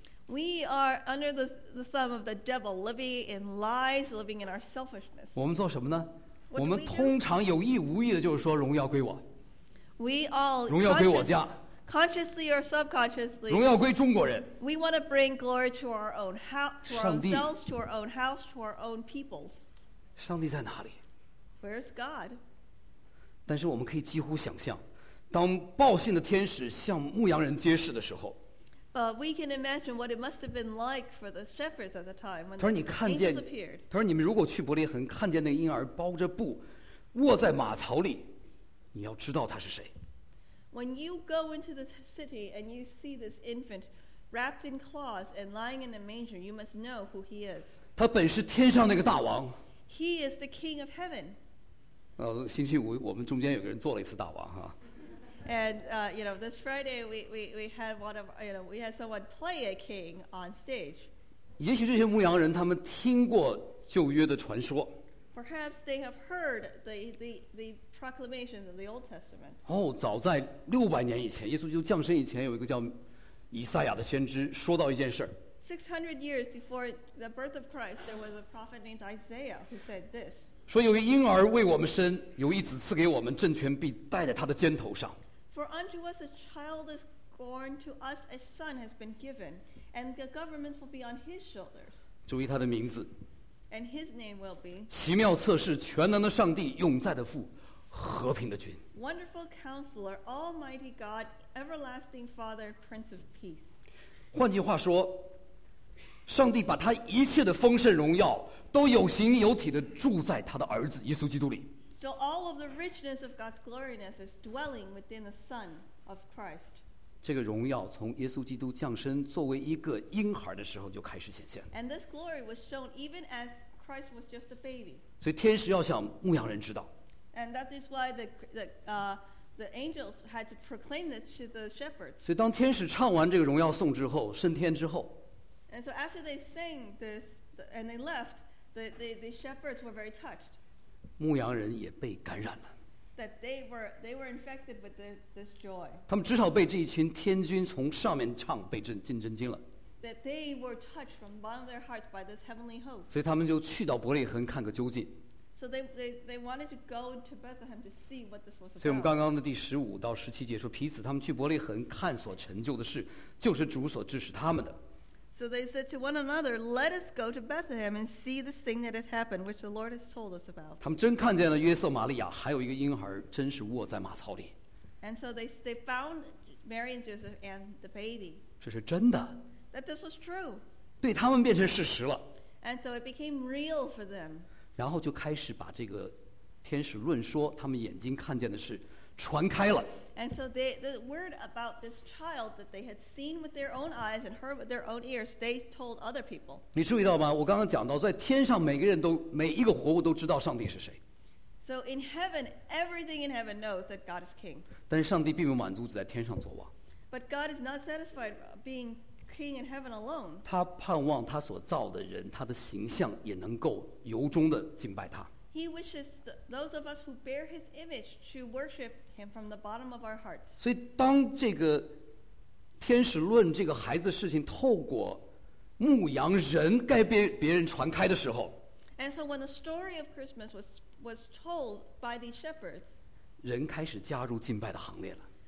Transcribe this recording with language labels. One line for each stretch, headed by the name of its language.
English: We are under the thumb of the devil, living in lies, living in our selfishness.
Chinese: 我们做什么呢？我们通常有意无意的，就是说荣耀归我。
English: We all
Chinese: 荣耀归我家。
English: Consciously or subconsciously,
Chinese: 荣耀归中国人。
English: We want to bring glory to our own house, to ourselves, to our own house, to our own peoples.
Chinese: 上帝在哪里？
English: Where's God?
Chinese: 但是我们可以几乎想象，当报信的天使向牧羊人揭示的时候。
English: But we can imagine what it must have been like for the shepherds at the time when the angels appeared.
Chinese: 他说：“你们如果去伯利恒，看见那婴儿包着布，卧在马槽里，你要知道他是谁。”
English: When you go into the city and you see this infant wrapped in cloths and lying in a manger, you must know who he is.
Chinese: 他本是天上那个大王。
English: He is the king of heaven.
Chinese: 星期五我们中间有个人做了一次大王哈。
English: And you know, this Friday we had one of you know we had someone play a king on stage.
Chinese: 也许这些牧羊人他们听过旧约的传说。
English: Perhaps they have heard the proclamations of the Old Testament.
Chinese: 哦，早在六百年以前，耶稣基督降生以前，有一个叫以赛亚的先知说到一件事。
English: 600 years before the birth of Christ, there was a prophet named Isaiah who said this.
Chinese: 说有一婴儿为我们生，有一子赐给我们，政权必戴在他的肩头上。
English: For unto us a child is born, to us a son has been given, And the government will be on his shoulders.
Chinese: 注意他的名字。
English: And his name will be.
Chinese: 奇妙测试，全能的上帝，永在的父，和平的君。
English: Wonderful Counselor, Almighty God, Everlasting Father, Prince of Peace.
Chinese: 换句话说，上帝把他一切的丰盛荣耀都有形有体的住在他的儿子耶稣基督里。
English: So all of the richness of God's gloriousness is dwelling within the Son of Christ.
Chinese: 这个荣耀从耶稣基督降生作为一个婴孩的时候就开始显现。
English: And this glory was shown even as Christ was just a baby.
Chinese: 所以天使要向牧羊人知道。
English: And that is why the angels had to proclaim this to the shepherds.
Chinese: 所以当天使唱完这个荣耀颂之后，升天之后。
English: And so after they sang this and they left, the shepherds were very touched.
Chinese: 牧羊人也被感染了。
English: That they were infected with this joy.
Chinese: 他们至少被这一群天军从上面唱被震惊了。
English: That they were touched from the bottom of their hearts by this heavenly host.
Chinese: 所以他们就去到伯利恒看个究竟。
English: So they wanted to go to Bethlehem to see what this was about.
Chinese: 所以我们刚刚的第十五到十七节说，彼此他们去伯利恒看所成就的事，就是主所指示他们的。
English: So they said to one another, "Let us go to Bethlehem and see this thing that had happened, which the Lord has told us about."
Chinese: 他们真看见了约瑟、玛利亚，还有一个婴孩，真是卧在马槽里。
English: And so they found Mary and Joseph and the baby.
Chinese: 这是真的。
English: That this was true.
Chinese: 对他们变成事实了。
English: And so it became real for them.
Chinese: 然后就开始把这个天使论说他们眼睛看见的事传开了。
English: And so the word about this child that they had seen with their own eyes and heard with their own ears, they told other people.
Chinese: 你注意到吗？我刚刚讲到，在天上每个人都每一个活物都知道上帝是谁。
English: So in heaven, everything in heaven knows that God is king.
Chinese: 但是上帝并不满足只在天上作王。
English: But God is not satisfied being king in heaven alone.
Chinese: 他盼望他所造的人，他的形象也能够由衷的敬拜他。
English: He wishes those of us who bear his image to worship him from the bottom of our hearts.
Chinese: 所以当这个天使论这个孩子事情透过牧羊人该别人传开的时候，
English: And so when the story of Christmas was told by the shepherds,
Chinese: 人开始加入敬拜的行列了。